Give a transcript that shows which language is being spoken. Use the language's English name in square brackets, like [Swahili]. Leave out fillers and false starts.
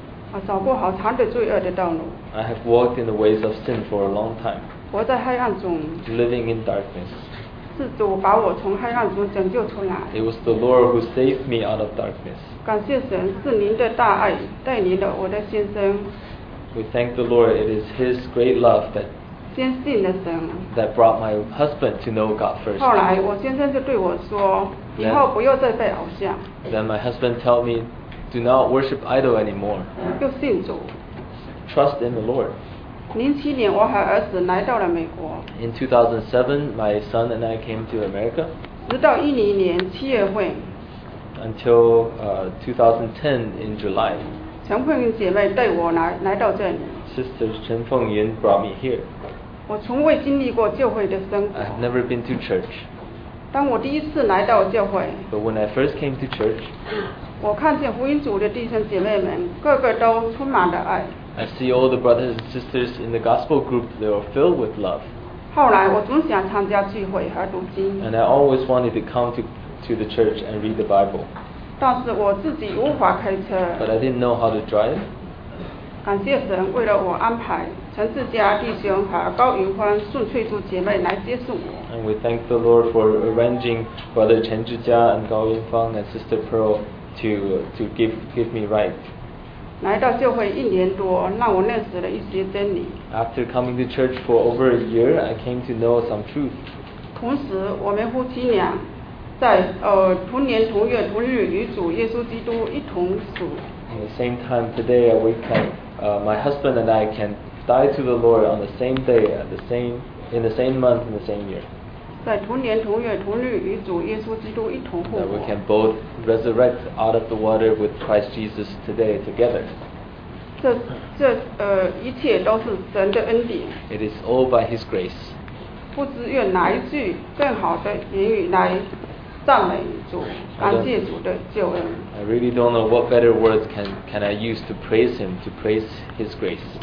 [Chinese] 我走过好长的罪恶的道路。 [English] I have walked in the ways of sin for a long time. [Chinese] 活在黑暗中。 [English] Living in darkness. [Chinese] 是主把我从黑暗中拯救出来。 [English] It was the Lord who saved me out of darkness. [Chinese] 感谢神，是您的大爱带领了我的先生。 [English] We thank the Lord. It is His great love that [Chinese] 先信了神。 [English] That brought my husband to know God first. [Chinese] 后来我先生就对我说，以后不要再拜偶像。 [English] Then my husband told me, do not worship idol anymore. [Chinese] 就信主。 [English] Trust in the Lord. [Chinese] 2007年我和儿子来到了美国。 [English] In 2007, my son and I came to America. [Chinese] 直到2010年七月份。 [English] Until 2010 in July. [Chinese] 陈凤云姐妹带我 来到这里。 [English] Sister Chen Fengyun brought me here. [Chinese] 我从未经历过教会的生活。 [English] I've never been to church. [Chinese] 当我第一次来到教会。 [English] But when I first came to church. [Chinese] 我看见福音组的弟兄姐妹们，个个都充满了爱。 [English] I see all the brothers and sisters in the gospel group. They are filled with love. [Chinese] 后来我总想参加聚会和读经。 [English] And I always wanted to come to the church and read the Bible. [Chinese] 但是我自己无法开车。 [English] But I didn't know how to drive. [Chinese] 感谢神为了我安排陈志佳弟兄和高云欢、宋翠珠姐妹来接送我。 [English] And we thank the Lord for arranging Brother Chen Zhijia and Gao Yunfang and Sister Pearl to give me ride. [Chinese] 来到教会一年多，让我认识了一些真理。 [English] After coming to church for over a year, I came to know some truth. [Chinese] 同时，我们夫妻俩在同年同月同日与主耶稣基督一同死。 [English] At the same time, today we can, my husband and I can die to the Lord on the same day, in the same month, in the same year. [Chinese] 在同年同月同日与主耶稣基督一同复活。 [English] That we can both resurrect out of the water with Christ Jesus today together. [Chinese] 这一切都是神的恩典。 [English] It is all by His grace. [Chinese] 不知用哪一句更好的言语来。 [English] I really don't know what better words can I use to praise him, to praise his grace.